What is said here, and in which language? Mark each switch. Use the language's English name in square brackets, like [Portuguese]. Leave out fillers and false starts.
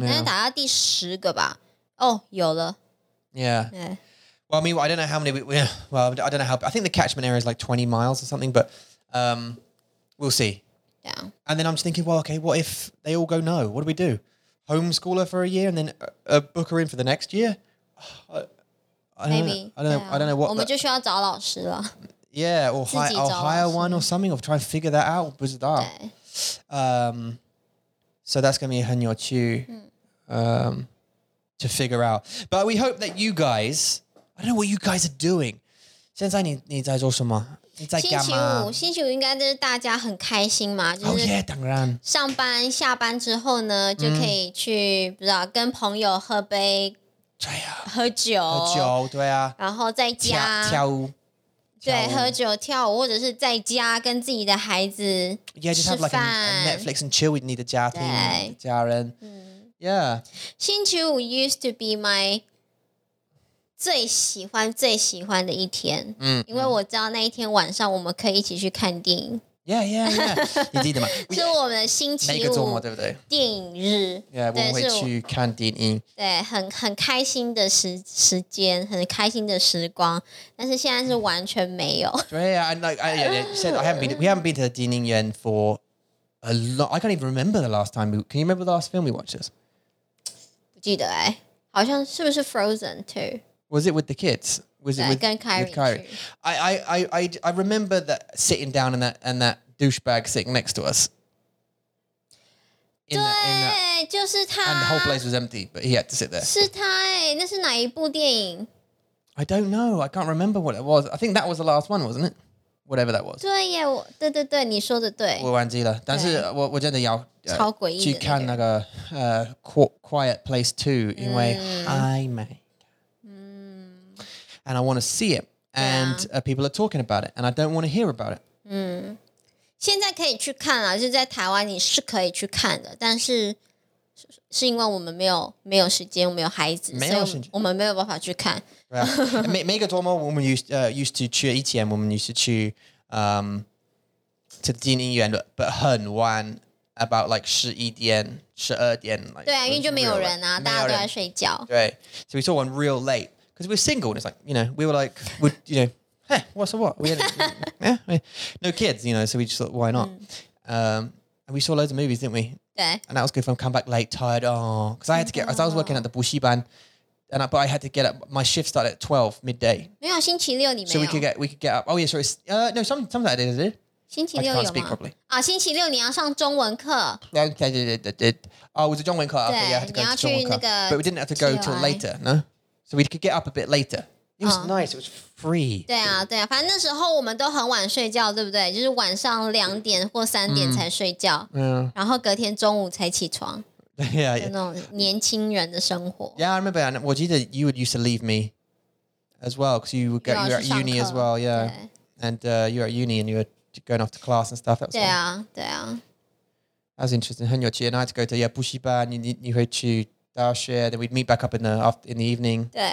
[Chinese] 但是打到第十个吧，哦，有了。 [English] Yeah. Well, I mean, I don't know how many. I don't know how. I think the catchment area is like 20 miles or something, but we'll see. Yeah. And then I'm just thinking, well, okay, what if they all go no? What do we do? Homeschooler for a year and then book her in for the next year. I don't know what. [Chinese] 我们就需要找老师了。 [English] Yeah, or hire one or something, or try to figure that out. [Chinese] 不知道。 [English] So that's going to be [Chinese] 很有趣。 [English] To figure out. But we hope that you guys, I don't know what you guys are doing. [Chinese] 现在你在做什么？星期五应该就是大家很开心嘛，就是当然上班下班之后呢，就可以去不知道跟朋友喝杯，对呀，喝酒，对啊，然后在家跳舞，对，喝酒、跳舞，或者是在家跟自己的孩子吃饭。 [English] Yeah, just have like a Netflix and chill with [Chinese] 你的家庭、家人。 [English] 嗯、yeah. [Chinese] 星期五 [English] used to be my [Chinese] 最喜欢最喜欢的一天。嗯，因为我知道那一天晚上我们可以一起去看电影。 [English] Yeah, yeah, yeah. [Chinese] 你记得吗？是我们的星期五，每个周末，对不对？电影日。 [English] Yeah, [Chinese] 我们会去看电影。对，很开心的时间，很开心的时光。但是现在是完全没有。 [English] Right, yeah, and like I said, we haven't been to the 电影院 for a long. I can't even remember the last time. Can you remember the last film we watched? This? [Chinese] 不记得哎，好像是不是 Frozen 2? [English] Was it with the kids? Was it with Kyrie? I remember that sitting down and that douchebag sitting next to us. And the whole place was empty, but he had to sit there. [Chinese] 是他欸，那是哪一部电影？ [English] I don't know. I can't remember what it was. I think that was the last one, wasn't it? Whatever that was. [Chinese] 对耶，对对对，你说的对。我忘记了，但是我真的要超诡异去看那个Quiet Place 2, 因为暧昧。 [English] And I want to see it. And people are talking about it. And I don't want to hear about it. [Chinese] 嗯，现在可以去看啊，就在台湾你是可以去看的，但是是因为我们没有时间，我们有孩子，没有时间，我们没有办法去看。每个周末我们used to 去以前，我们 used to 去to 电影院 but 很晚 about like 11点12点 like, 对啊，因为就没有人啊，大家都在睡觉。 [English] 对， so we saw one real late. Because we're single and it's like, you know, we were like, you know, hey, what's the what? We had no kids, you know, so we just thought, why not? And we saw loads of movies, didn't we? Yeah. And that was good fun. Come back late, tired. Oh, because I had to get, as I was working at the 补习班, but I had to get up. My shift started at 12, midday. [Chinese] 没有,星期六你没有。 [English] So we could get up. Oh, yeah, sorry. No, some of that I did. [Chinese] 星期六有吗? [English] I can't speak properly. [Chinese] 啊,星期六你要上中文课。 [English] Okay, did. Oh, it was a 中文课.Okay, yeah, I had to go to 中文课. But we didn't have to go till later, no? So we could get up a bit later. It was nice. It was free. [Chinese] 对啊，对啊，反正那时候我们都很晚睡觉，对不对？就是晚上两点或三点才睡觉，然后隔天中午才起床。对啊，那种年轻人的生活。 [English] Yeah, I remember. I记得 you would used to leave me as well because you would go you're at uni as well. Yeah, and you're at uni and you were going off to class and stuff. That was [Chinese] 对啊，对啊。 [English] That was interesting. [Chinese] 很有趣。 [English] And I had to go to 补习班。 [Chinese] 你会去。 [English] Our share, then we'd meet back up in the evening.